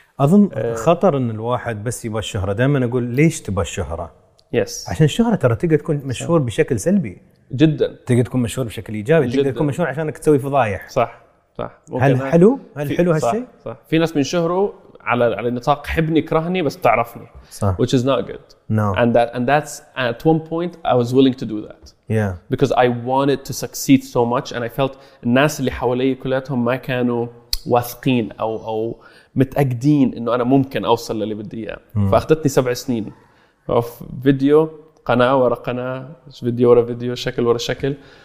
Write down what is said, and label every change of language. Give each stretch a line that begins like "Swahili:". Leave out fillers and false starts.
Arabic: أظن خطر أن الواحد بس يبى الشهرة. دائما أقول ليش تبى الشهرة؟
English: yes.
Arabic: عشان الشهرة ترى تقدر تكون مشهور بشكل سلبي جدا، تقدر تكون مشهور بشكل إيجابي جداً. تقدر تكون مشهور عشانك تسوي فضايح. صح صح. هل حلو هالشيء؟ صح. في ناس من شهره على النطاق حبني كرهني بس تعرفني. صح.
English: which is not good. no. and that's at one point I was willing to do that. yeah. because I wanted to succeed so much and I felt
Arabic: الناس اللي حوالي كلاتهم ما كانوا واثقين أو متأكدين إنه أنا ممكن أوصل للي بدي إياه. فأخذتني 7 سنين
English: of video،
Arabic: قناة ورا قناة، فيديو ورا فيديو، شكل ورا شكل.